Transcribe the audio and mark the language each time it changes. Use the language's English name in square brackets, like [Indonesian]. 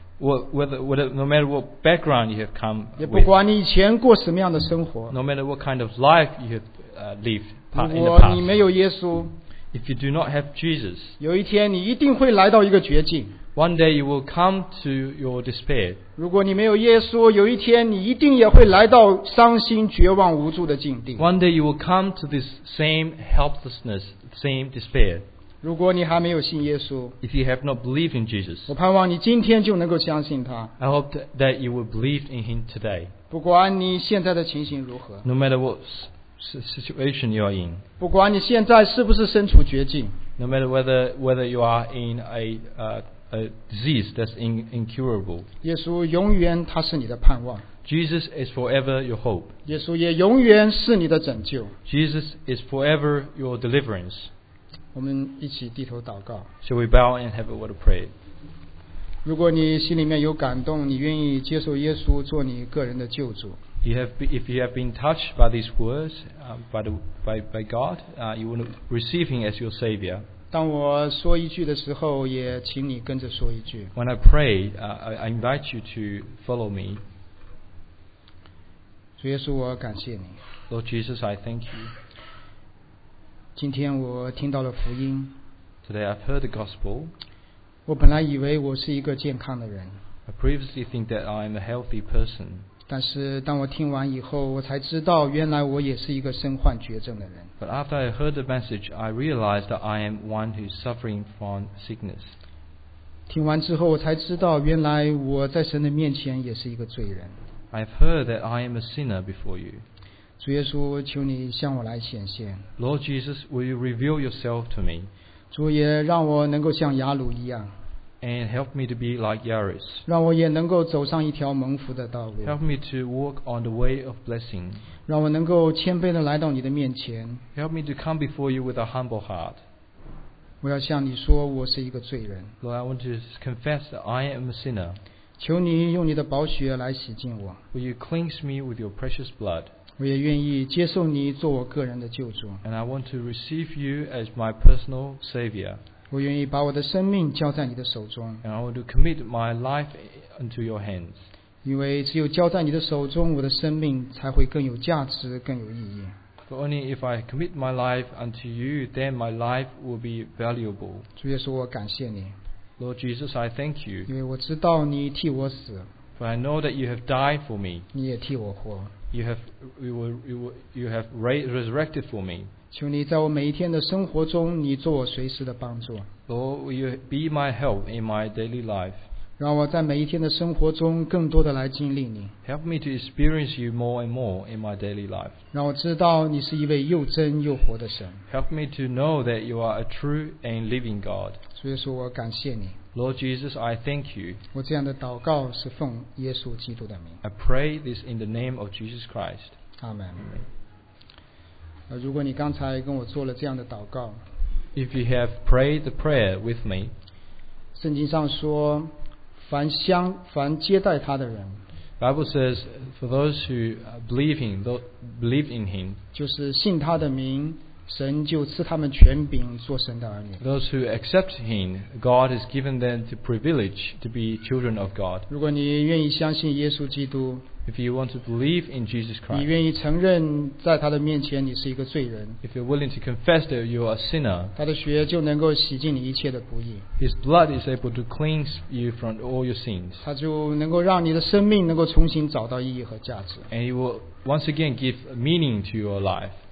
[English] no matter what background you have come with, [Chinese] 也不管你以前过什么样的生活， [English] no matter what kind of life you have lived in the past, [Chinese] 如果你没有耶稣， [English] if you do not have Jesus, [Chinese] 有一天你一定会来到一个绝境。 [English] One day you will come to your despair. [Chinese] 如果你没有耶稣，有一天你一定也会来到伤心、绝望、无助的境地。 [English] One day you will come to this same helplessness, same despair. [Chinese] 如果你还没有信耶稣， [English] if you have not believed in Jesus, [Chinese] 我盼望你今天就能够相信他。 [English] I hope that you will believe in him today. [Chinese] 不管你现在的情形如何， [English] no matter what situation you are in, [Chinese] 不管你现在是不是身处绝境， [English] no matter whether you are in a disease that's incurable. [Chinese] 耶稣永远他是你的盼望。 [English] Jesus is forever your hope. [Chinese] 耶稣也永远是你的拯救。 [English] Jesus is forever your deliverance. [Chinese] 我们一起低头祷告。 [English] Shall we bow and have a word of prayer? [Chinese] 如果你心里面有感动，你愿意接受耶稣做你个人的救主。 [English] If you have been touched by these words, by God, you want to receive him as your savior. [Chinese] 当我说一句的时候，也请你跟着说一句。 [English] When I pray, I invite you to follow me. [Chinese] 主耶稣，我感谢你。 [English] Lord Jesus, I thank you. [Chinese] 今天我听到了福音。 [English] Today I've heard the gospel. [Chinese] 我本来以为我是一个健康的人。 [English] I previously think that I'm a healthy person. [Chinese] 但是当我听完以后，我才知道原来我也是一个身患绝症的人。 [English] But after I heard the message, I realized that I am one who is suffering from sickness. [Chinese] 听完之后，我才知道原来我在神的面前也是一个罪人。 [English] I've heard that I am a sinner before you. [Chinese] 主耶稣，求你向我来显现。 [English] Lord Jesus, will you reveal yourself to me? [Chinese] 主也让我能够像雅鲁一样。 [English] And help me to be like Yairus. [Chinese] 让我也能够走上一条蒙福的道路。 [English] Help me to walk on the way of blessing. [Chinese] 让我能够谦卑地来到你的面前。 [English] Help me to come before you with a humble heart. [Chinese] 我要向你说，我是一个罪人。 [English] Lord, I want to confess that I am a sinner. [Chinese] 求你用你的宝血来洗净我。 [English] Will you cleanse me with your precious blood? [Chinese] 我也愿意接受你做我个人的救主。 [English] And I want to receive you as my personal savior. [Chinese] 我愿意把我的生命交在你的手中。 [English] And I want to commit my life into your hands. [Chinese] 因为只有交在你的手中，我的生命才会更有价值，更有意义。 [English] For only if I commit my life unto you, then my life will be valuable. [Chinese] 主耶稣，我感谢你。 [English] Lord Jesus, I thank you. [Chinese] 因为我知道你替我死。 [English] For I know that you have died for me. [Chinese] 你也替我活。 [English] You have resurrected for me. [Chinese] 求你在我每一天的生活中，你做我随时的帮助。 [English] Lord, will you be my help in my daily life? [Chinese] 让我在每一天的生活中更多的来经历你。 [English] Help me to experience you more and more in my daily life. [Chinese] 让我知道你是一位又真又活的神。 [English] Help me to know that you are a true and living God. [Chinese] 所以说我感谢你。 [English] Lord Jesus, I thank you. [Chinese] 我这样的祷告是奉耶稣基督的名。 [English] I pray this in the name of Jesus Christ. Amen. [Chinese] 如果你刚才跟我做了这样的祷告， [English] If you have prayed the prayer with me, [Chinese] 圣经上说，凡接待他的人， [English] Bible says for those who believe in him, [Chinese] 就是信他的名，神就赐他们权柄做神的儿女。 [English] Those who accept him, God has given them the privilege to be children of God. [Chinese] 如果你愿意相信耶稣基督， [English] If you want to believe in Jesus Christ, [Chinese] 你愿意承认在他的面前你是一个罪人， [English] If you're willing to confess that you are a sinner, [Chinese] 他的血就能够洗净你一切的不义， [English] His blood is able to cleanse you from all your sins, [Chinese] 他就能够让你的生命能够重新找到意义和价值， [English] And he will once again give meaning to your life.